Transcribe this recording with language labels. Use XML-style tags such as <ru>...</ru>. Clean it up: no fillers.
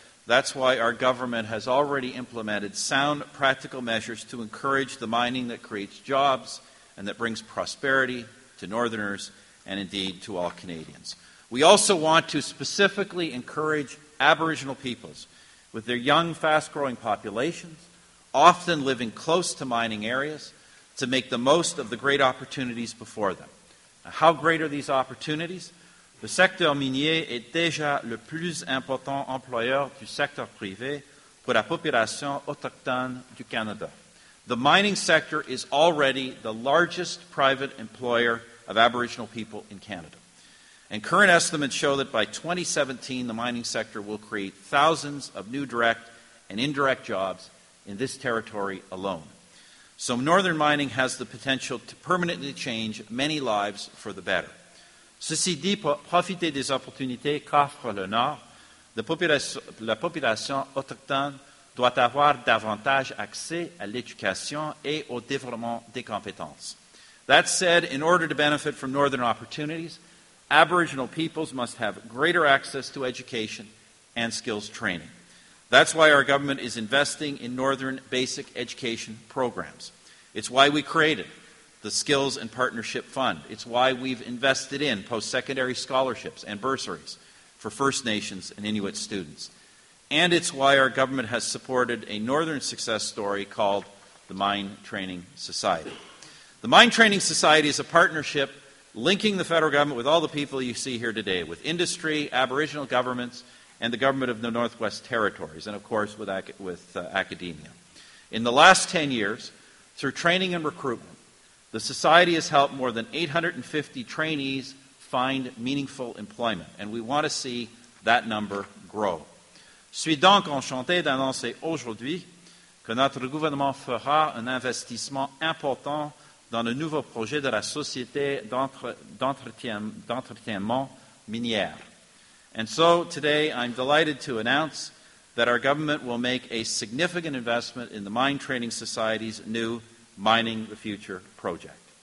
<en>That's why our government has already implemented sound, practical measures to encourage the mining that creates jobs and that brings prosperity to Northerners and indeed to all Canadians. We also want to specifically encourage Aboriginal peoples with their young, fast-growing populations, often living close to mining areas, to make the most of the great opportunities before them. Now, how great are these opportunities?</en> <fr>Le secteur minier est déjà le plus important employeur du secteur privé pour la population autochtone du Canada.</fr> <en>The mining sector is already the largest private employer of Aboriginal people in Canada. And current estimates show that by 2017, the mining sector will create thousands of new direct and indirect jobs in this territory alone. So northern mining has the potential to permanently change many lives for the better.</en> <fr>Ceci dit, profitez des opportunités qu'offre le Nord. La population autochtone doit avoir davantage accès à l'éducation et au développement des compétences.</fr> <en>That said, in order to benefit from northern opportunities, Aboriginal peoples must have greater access to education and skills training. That's why our government is investing in northern basic education programs. It's why we created the Skills and Partnership Fund. It's why we've invested in post-secondary scholarships and bursaries for First Nations and Inuit students. And it's why our government has supported a northern success story called the Mine Training Society. The Mine Training Society is a partnership linking the federal government with all the people you see here today, with industry, Aboriginal governments, and the government of the Northwest Territories, and of course with academia. In the last 10 years, through training and recruitment, the Society has helped more than 850 trainees find meaningful employment, and we want to see that number grow.</en> <fr>Je suis donc enchanté d'annoncer aujourd'hui que notre gouvernement fera un investissement important dans le nouveau projet de la Société d'entretiennement minière.</fr> <en>And so today I'm delighted to announce that our government will make a significant investment in the Mine Training Society's new Mining the Future project.</en>